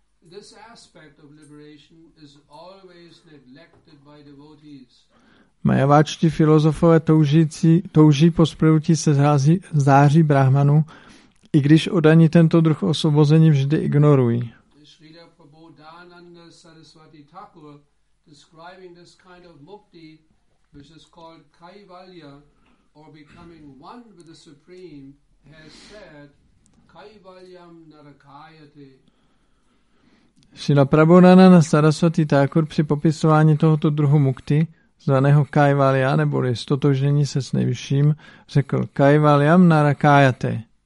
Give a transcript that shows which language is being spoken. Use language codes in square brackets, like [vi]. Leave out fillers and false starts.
[en] This aspect of liberation is always neglected by devotees. [cs] Mayavádští filozofové touží po splynutí se září Brahmanu, i když oddaní tento druh osvobození vždy ignorují. [en] Śrīla Prabhudānanda Saraswati Thakur, describing this kind of mukti, which is called kaivalya, or becoming one with the Supreme, has said, [sa] kaivalyam narakāyate. [cs] Śrīla Prabhudānanda Saraswati Thakur při popisování tohoto druhu mukti, zvaného Kaivalya, neboli stotožnění se s nejvyšším, řekl [sa] Kaivalyam narakāyate.